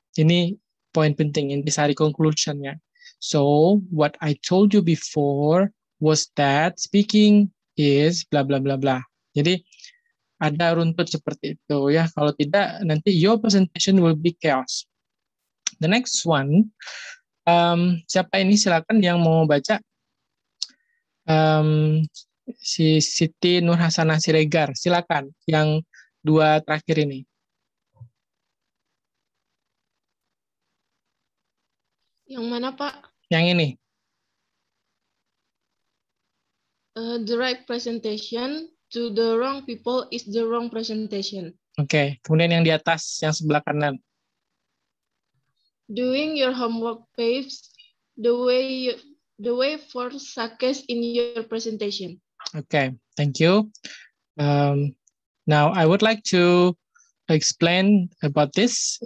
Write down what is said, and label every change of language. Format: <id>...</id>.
<id>Ini poin penting, ini sari conclusion-nya.</id> <en>So, what I told you before was that speaking is bla bla bla bla.</en> <id>Jadi ada runtut seperti itu ya. Kalau tidak nanti</id> <en>your presentation will be chaos. The next one,</en> <id>siapa ini silakan yang mau baca? Si Siti Nur Hasanah Siregar, silakan yang dua terakhir ini. Yang mana, Pak? Yang ini.</id> <en>The right presentation to the wrong people is the wrong presentation.</en> <id>Oke, kemudian yang di atas, yang sebelah kanan.</id> <en>Doing your homework paves the way for success in your presentation. Okay, thank you. Now, I would like to explain about this.</en>